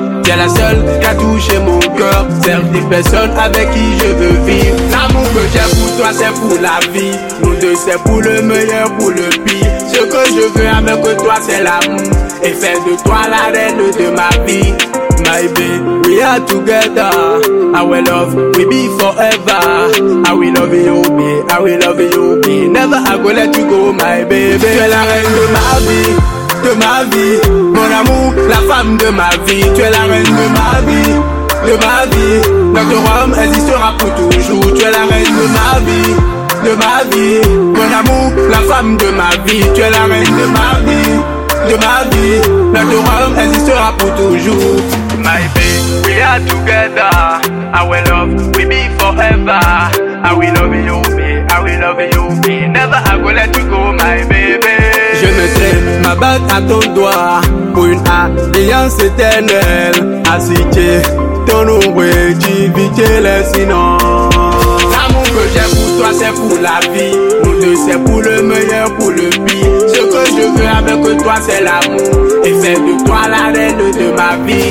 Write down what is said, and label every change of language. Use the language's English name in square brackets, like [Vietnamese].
[French] Tu es la seule qui a touché mon cœur. C'est des personnes avec qui je veux vivre. L'amour que j'ai pour toi, c'est pour la vie. Nous deux, c'est pour le meilleur, pour le pire. Ce que je veux avec toi, c'est l'amour. Et faire de toi la reine de ma vie. [English] My baby, we are together. Our love will be forever. I will love you, baby. I will love you, baby. Never I will let you go, my baby. [French] Tu es la reine de ma vie, de ma vie. Mon amour, la femme de ma vie. Tu es la reine de ma vie, de ma vie. Notre royaume existera pour toujours. Tu es la reine de ma vie, de ma vie. Mon amour, la femme de ma vie. Tu es la reine de ma vie, de ma vie. Notre royaume existera pour toujours. [English] My baby, we are together. Our love will be forever. I will love you, baby. I will love you, baby. Never I will let you go, my baby. [French] Je mettrai ma bague à ton doigt pour une alliance éternelle. Assiette ton ombre et divise les sinon. L'amour que j'ai pour toi, c'est pour la vie. Nous deux, c'est pour le meilleur, pour le pire. Ce que je veux avec toi, c'est l'amour. Et faire de toi la reine de ma vie.